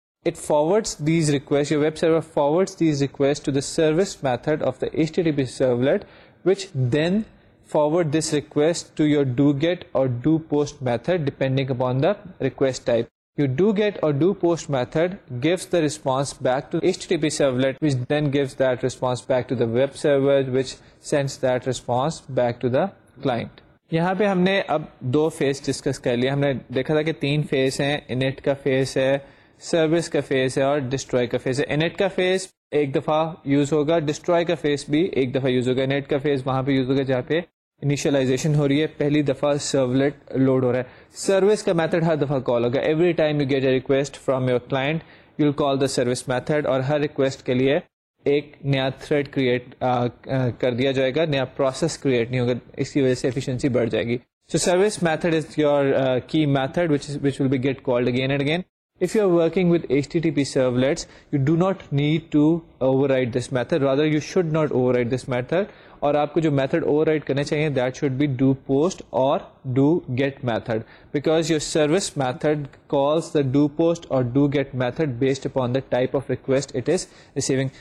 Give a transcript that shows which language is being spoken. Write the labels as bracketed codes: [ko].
[en] It forwards these requests, your web server forwards these requests to the service method of the HTTP servlet, which then forward this request to your doGet or doPost method depending upon the request type. Your doGet or doPost method gives the response back to HTTP servlet, which then gives that response back to the web server, which sends that response back to the client. [ur] یہاں پہ ہم نے اب دو phase discuss کر لیا ہم نے دیکھا تھا کہ تین فیز ہیں انٹ کا فیز ہے سروس کا فیز ہے اور ڈسٹروائے کا فیز ہے انٹ کا فیز ایک دفعہ یوز ہوگا ڈسٹروائے کا فیز بھی ایک دفعہ یوز ہوگا انٹ کا فیز وہاں پہ یوز ہوگا جہاں پہ انیشلائزیشن ہو رہی ہے پہلی دفعہ سرولیٹ لوڈ ہو رہا ہے سروس کا میتھڈ ہر دفعہ کال ہوگا [en] every time you get a request from your client you call the service method [ur] اور ہر ریکویسٹ کے لیے ایک نیا تھریڈ کریٹ کر دیا جائے گا, نیا پروسیس کریٹ نہیں ہوگا, اس کی وجہ سے ایفیشنسی بڑھ جائے گی. [en] So service method is your key method which will be get called again and again. If you are working with HTTP servlets, you do not need to override this method. Rather, you should not override this method. [ur] اور آپ کو جو method override کرنے چاہیے, [en] that should be do post or do get method. Because your service method calls the do post or do get method based upon the type of request it is receiving.